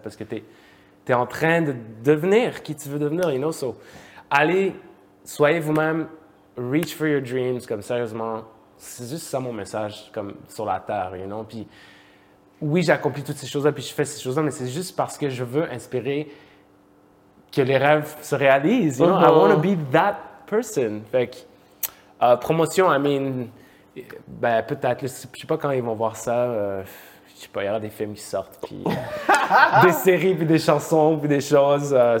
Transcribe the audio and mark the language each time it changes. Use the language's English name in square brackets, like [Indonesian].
[French] Parce que t'es en train de devenir qui tu veux devenir, [English] you know? [French] So, allez, soyez vous-même, [English] reach for your dreams, [French] comme sérieusement. C'est juste ça mon message, comme sur la terre, [English] you know? [French] Puis, oui, j'accomplis toutes ces choses-là, puis je fais ces choses-là, mais c'est juste parce que je veux inspirer que les rêves se réalisent. [English] You know? I want to be that person. [French] Fait que, promotion, [English] I mean, [French] ben, peut-être, je ne sais pas quand ils vont voir ça. Je ne sais pas, il y aura des films qui sortent, puis des séries, puis des chansons, puis des choses.